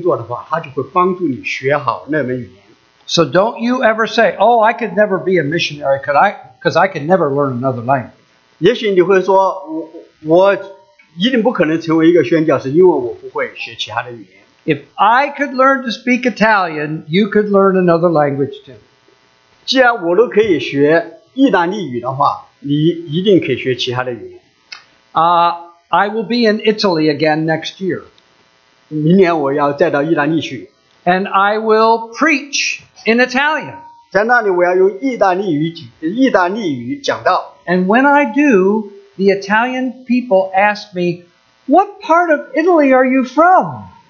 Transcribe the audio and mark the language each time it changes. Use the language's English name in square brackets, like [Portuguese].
[Chinese] 但是如果神呼召你到另外一个国家去做他的工作的话，他就会帮助你学好那门语言。 [English] So don't you ever say, "Oh, I could never be a missionary, could I? Because I could never learn another language." [Chinese] 也许你会说，我。 [English] If I could learn to speak Italian, you could learn another language too. [Chinese] 既然我都可以学意大利语的话，你一定可以学其他的语言。 [English] I will be in Italy again next year. [Chinese] 明年我要再到意大利去。 [English] And I will preach in Italian. [Chinese] 在那里我要用意大利语讲道。 [English] And when I do, the Italian people ask me, what part of Italy are you from?